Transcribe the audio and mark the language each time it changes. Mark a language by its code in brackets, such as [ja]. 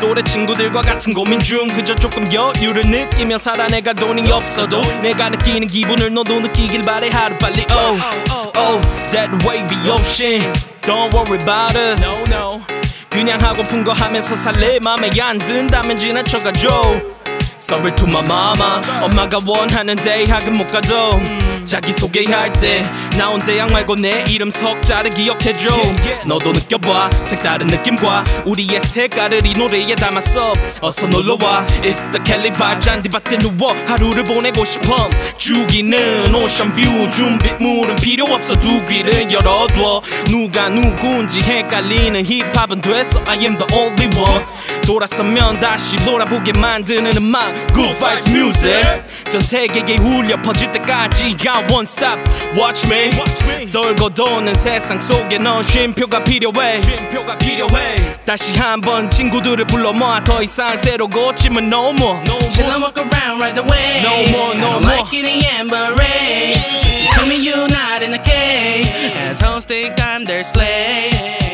[ko] 또래 친구들과 같은 고민 중 그저 조금 여유를 느끼며 살아내가 돈이 없어도 내가 느끼는 기분을 너도 느끼길 바래 하루 빨리 oh, oh, oh, oh. [en] That wavy ocean don't worry about us no, no. [ko] 그냥 하고픈 거 하면서 살래 맘에 안 든다면 지나쳐가죠 [en] Sorry to my mama [ko] 엄마가 원하는 대학은 못 가도 자기 소개할 때 나온 대학 말고 내 이름 석자를 기억해줘 yeah, yeah. 너도 느껴봐 색다른 느낌과 우리의 색깔을 이 노래에 담았어 어서 놀러와 [en] It's the Kelly vibe [ko] 잔디밭에 누워 하루를 보내고 싶어 죽이는 오션뷰 준비물은 필요 없어 두 귀를 열어둬 누가 누군지 헷갈리는 힙합은 됐어 [en] I am the only one [ko] 돌아서면 다시 돌아보게 만드는 음악 [en] Good vibes music [ko] 전 세계에 울려 퍼질 때까지 [en] Got one stop, watch me. Watch me [ko] 돌고 도는 세상 속에 넌 쉼표가 필요해 쉼표가 필요해 다시 한번 친구들을 불러 모아 더 이상 새로 고치면 [en] no more no Chill And walk around right away No more, no more I don't like it in Amber Ray So tell me you're not in the cave As hoes think I'm their slave